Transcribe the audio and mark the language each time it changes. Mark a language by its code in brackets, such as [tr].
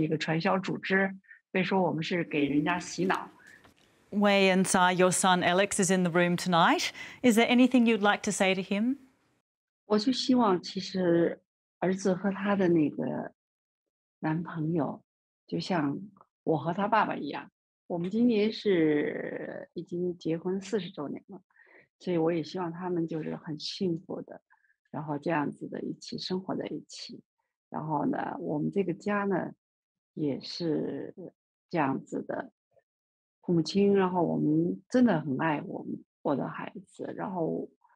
[zh] 困难肯定是有的，因为是，而且我在热线接热线的时候呢，也被骂，然后被说我们是一个传销组织，被说我们是给人家洗脑。 [en] Wei and Si, your son Alex is in the room tonight. Is there anything you'd like to say to him? [zh] 我就希望其实 儿子和他的那个男朋友，就像我和他爸爸一样，我们今年是已经结婚40周年了，所以我也希望他们就是很幸福的，然后这样子的一起生活在一起，然后呢，我们这个家呢，也是这样子的，父母亲，然后我们真的很爱我的孩子，然后。